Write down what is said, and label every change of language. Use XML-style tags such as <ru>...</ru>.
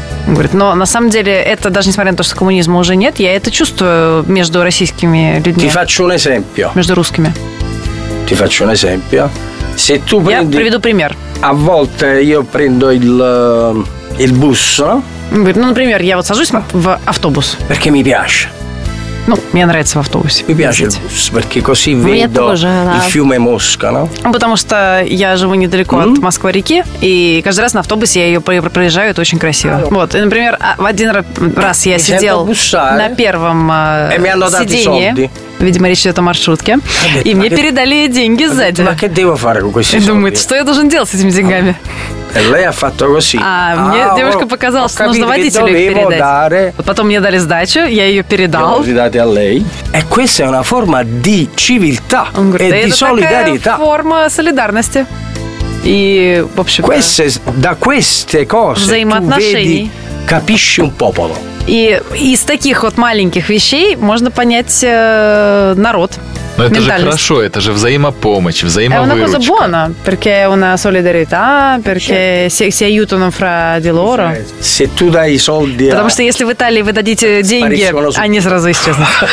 <ru>Он говорит, но на самом деле это даже несмотря на то, что коммунизма уже нет, я это чувствую между российскими людьми.</ru> <it>Ti faccio un esempio.</it> <ru>Между русскими.</ru> <it>Ti faccio un esempio. Se tu prendi.</it> <ru>Я приведу пример.</ru> <it>A volte io prendo il bus.</it> <ru>Он говорит, ну, например, я вот сажусь в автобус.</ru> <it>Perché mi piace.</it> <ru>Ну, мне нравится в автобусе.</ru> <it>Mi piace il bus, perché così vedo il fiume Mosca, no?</it> <ru>Потому что я живу недалеко от Москва-реки, и каждый раз на автобусе я ее проезжаю, это очень красиво. Вот, и, например, в один раз я сидел на первом сиденье. Видимо, речь идет о маршрутке. И мне передали деньги сзади.</ru> <it>Ma che devo fare con questi soldi?</it> <ru>И думает, что я должен делать с этими деньгами?</ru> <it>Lei ha fatto così.</it> <ru>А мне девушка показала, что нужно водителю их передать.</ru> <it>Dare...</it> <ru>Вот потом мне дали сдачу, я ее передал.</ru> <it>Ridate a lei. E questa è una forma di civiltà e di solidarietà.</it> <ru>Форма солидарности. И в общем.</ru> <it>Queste, da queste cose.</it> <ru>Взаимоотношений.</ru> <it>Tu vedi, capisci un popolo.</it> <ru>И из таких вот маленьких вещей можно понять народ. Но это же хорошо, это же взаимопомощь, взаимовыручка.</ru> <it>Una cosa buona, perché una solidarietà, perché si aiutano fra di loro. Se tu dai soldi.</it> <ru>Потому что если в Италии вы дадите деньги, они сразу исчезнут.</ru>